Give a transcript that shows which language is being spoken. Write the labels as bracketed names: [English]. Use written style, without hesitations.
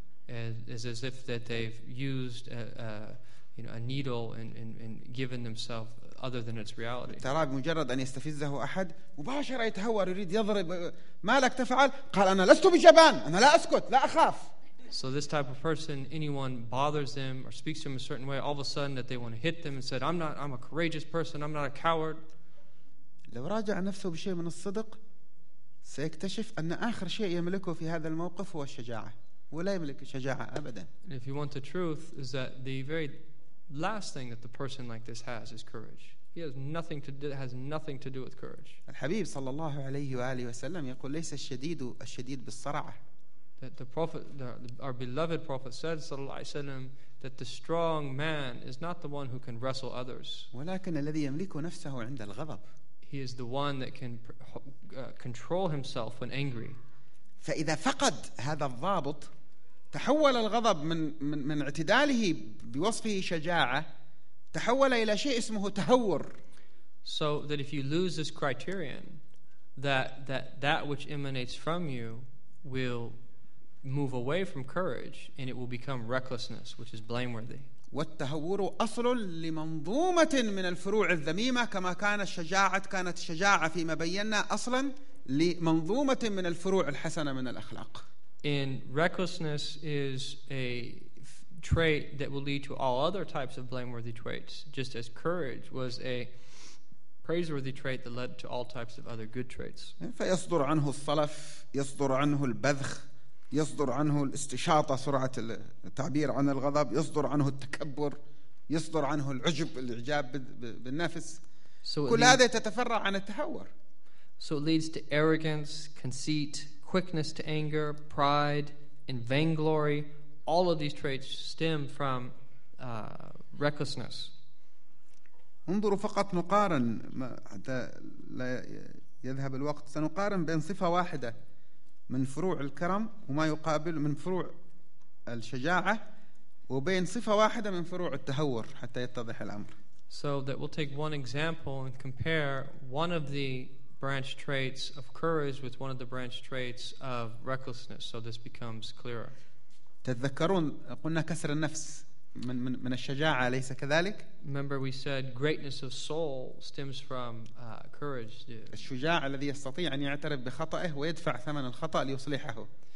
[English] It's as if that they've used a needle and given themselves other than its reality. [Arabic] ترى بمجرد أن يستفزه أحد مباشرة يتهور يريد يضرب ما لك تفعل قال أنا لست بجبان أنا لا أسكت لا أخاف. [English] So this type of person, anyone bothers them or speaks to them a certain way, all of a sudden that they want to hit them and said, I'm a courageous person, I'm not a coward. [Arabic] لو راجع نفسه بشيء من الصدق سيكتشف أن آخر شيء يملكه في هذا الموقف هو الشجاعة ولا يملك الشجاعة أبدا. [English] And if you want the truth, is that the very last thing that the person like this has is courage. He has nothing to do, has nothing to do with courage. [Arabic] الحبيب صلى الله عليه وآله وسلم يقول ليس الشديد الشديد بالصرعة. [English] That the Prophet, our beloved Prophet said, [Arabic] صلى الله عليه وسلم, [English] that the strong man is not the one who can wrestle others. [Arabic] ولكن الذي يملك نفسه عند الغضب. [English] He is the one that can control himself when angry. [Arabic] فإذا فقد هذا الضابط تحول الغضب من اعتداله بوصفه شجاعة تحول إلى شيء اسمه تهور. [English] So that if you lose this criterion, that which emanates from you will move away from courage and it will become recklessness, which is blameworthy. [Arabic] والتهور أصل لمنظومة من الفروع الذميمة كما كانت الشجاعة فيما بينا أصلا لمنظومة من الفروع الحسنة من الأخلاق. [English] And recklessness is a trait that will lead to all other types of blameworthy traits, just as courage was a praiseworthy trait that led to all types of other good traits. [Arabic] فيصدر عنه الصلف، يصدر عنه البذخ، يصدر عنه الاستشاطة، سرعة التعبير عن الغضب، يصدر عنه التكبر، يصدر عنه العجب، الإعجاب بالنفس. So كل هذا يتفرع عن التهور. [English] So it leads to arrogance, conceit, quickness to anger, pride, and vainglory. All of these traits stem from recklessness. [Arabic] انظروا فقط نقارن حتى لا يذهب الوقت، سنقارن بين صفة واحدة من فروع الكرم وما يقابل من فروع الشجاعة، وبين صفة واحدة من فروع التهور حتى يتضح الأمر. [English] So that we'll take one example and compare one of the branch traits of courage with one of the branch traits of recklessness, so this becomes clearer. [Arabic] تذكرون قلنا كسر النفس من الشجاعة، ليس كذلك؟ [English] Remember we said greatness of soul stems from courage. [Arabic] الشجاع الذي يستطيع أن يعترف بخطأه ويدفع ثمن الخطأ ليصلحه.